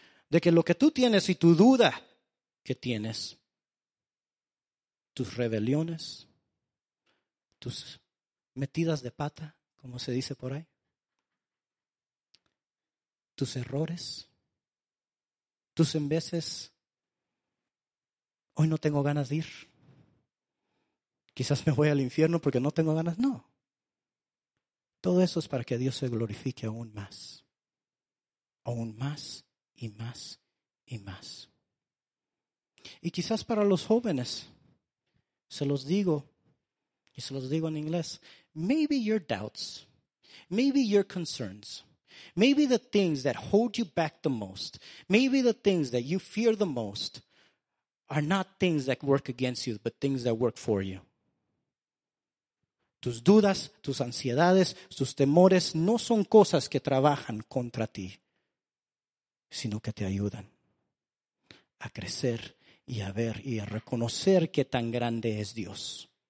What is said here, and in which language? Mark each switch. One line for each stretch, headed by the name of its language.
Spanish: De que lo que tú tienes y tu duda que tienes, tus rebeliones, tus metidas de pata, como se dice por ahí, tus errores, tus en veces, hoy no tengo ganas de ir. Quizás me voy al infierno porque no tengo ganas. No. Todo eso es para que Dios se glorifique aún más. Aún más y más y más. Y quizás para los jóvenes, se los digo, y se los digo en inglés,
English: maybe your doubts, maybe your concerns, maybe the things that hold you back the most, maybe the things that you fear the most, are not things that work against you, but things that work for you.
Spanish: Tus dudas, tus ansiedades, tus temores no son cosas que trabajan contra ti, sino que te ayudan a crecer y a ver y a reconocer qué tan grande es Dios.